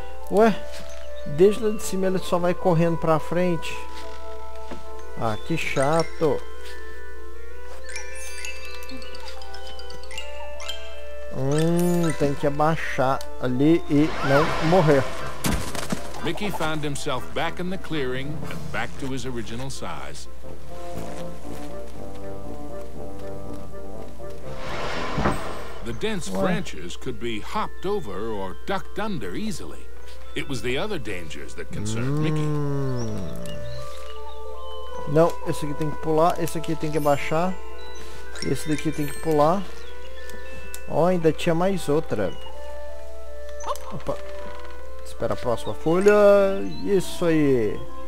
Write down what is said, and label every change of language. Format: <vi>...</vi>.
<pt>Não. Ué, desde lá de cima ele só vai correndo pra frente. Ah, que chato. Tem que abaixar ali e não morrer.</pt> <en>Mickey found himself back in the clearing and back to his original size. The dense branches could be hopped over or ducked under easily. It was the other dangers that concerned Mickey.</en> <pt>Não, esse aqui tem que pular, esse aqui tem que abaixar. Esse daqui tem que pular. Oh, ainda tinha mais outra. Opa. Espera a próxima folha. Isso aí.</pt>